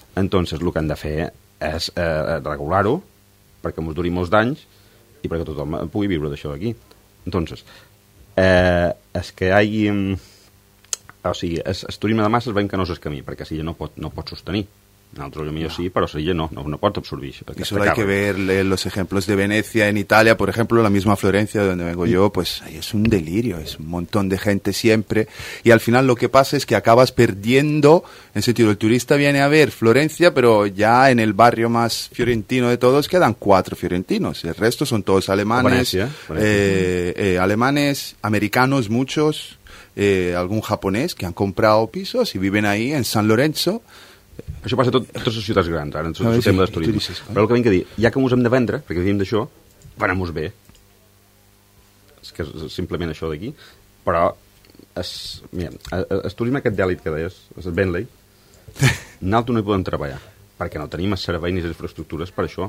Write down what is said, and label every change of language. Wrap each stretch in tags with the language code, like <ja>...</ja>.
<ca>Entonces, el que han de fer és regular-ho perquè ens duri molts d'anys i perquè tothom pugui viure d'això d'aquí. Entonces, és que hi hagi, o sigui, el turisme de masses veiem que no és el camí, perquè Silla no pot sostenir. Nosaltres potser no. Sí, però Silla no pot absorbir aquesta càrrega. I això hi ha que veure els exemples de Venècia en Itàlia, per exemple, la mateixa Florencia,</ca> <es>d'on vengo jo, pues ahí es un delirio, es un montón de gente siempre, y al final lo que pasa es que acabas perdiendo, en sentido, el turista viene a ver Florencia, pero ya en el barrio más fiorentino de todos quedan cuatro fiorentinos, el resto son todos alemanes, alemanes, americanos muchos, algún japonés que han comprado pisos y viven ahí en San Lorenzo.</es> <ca>Això passa a totes les ciutats grans, ara, en el tema dels turistes. Però el que vinc a dir, ja que ens hem de vendre, perquè vivim d'això, venem-nos bé. És que és simplement això d'aquí. Però, el turisme aquest d'èlit que deies, el Bentley, nosaltres no hi podem treballar, perquè no tenim el servei ni les infraestructures per això.</ca>